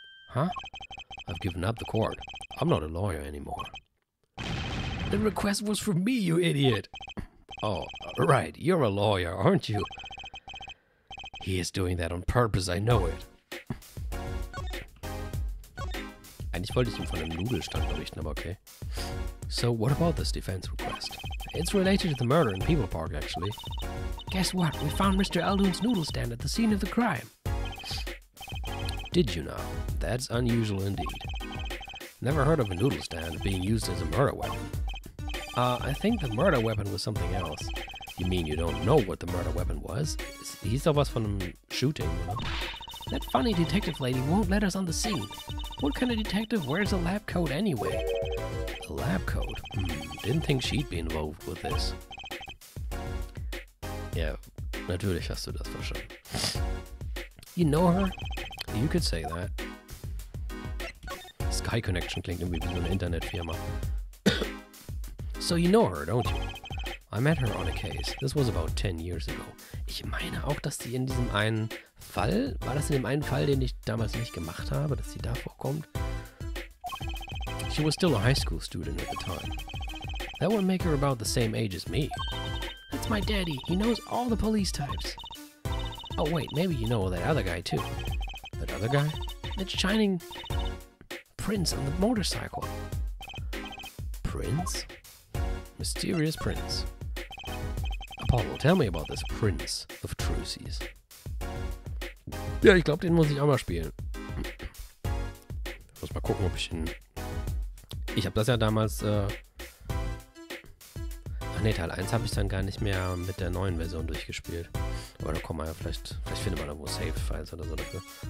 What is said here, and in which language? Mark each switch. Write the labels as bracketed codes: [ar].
[en] Huh? I've given up the court. I'm not a lawyer anymore. The request was for me, you idiot! Oh, right, you're a lawyer, aren't you? He is doing that on purpose, I know it. [de] Eigentlich wollte ich ihm von einem Nudelstand berichten, aber okay. [en] So, what about this defense request? It's related to the murder in People Park, actually. Guess what? We found Mr. Aldoon's noodle stand at the scene of the crime. Did you know? That's unusual indeed. Never heard of a noodle stand being used as a murder weapon. I think the murder weapon was something else. You mean you don't know what the murder weapon was? He saw us from shooting, you know? That funny detective lady won't let us on the scene. What kind of detective wears a lab coat anyway? A lab coat? Didn't think she'd be involved with this. [de] Yeah, natürlich hast du das verstanden. [en] You know her? You could say that. [de] Sky Connection klingt irgendwie wie so eine Internetfirma. [en] So you know her, don't you? I met her on a case. This was about 10 years ago. [de] Ich meine auch, dass sie in diesem einen Fall, war das in dem einen Fall, den ich damals nicht gemacht habe, dass sie da vorkommt? [en] She was still a high school student at the time. That would make her about the same age as me. That's my daddy. He knows all the police types. Oh wait, maybe you know that other guy too. That other guy? That shining prince on the motorcycle. Prince? Mysterious prince. Apollo, tell me about this prince of Trucy's. [de] Ja, ich glaube, den muss ich auch mal spielen. Ich muss mal gucken, ob ich ihn... Ich habe das ja damals, Nee, Teil 1 habe ich dann gar nicht mehr mit der neuen Version durchgespielt. Aber da kommen wir ja vielleicht, vielleicht findet man irgendwo Save-Files oder so dafür.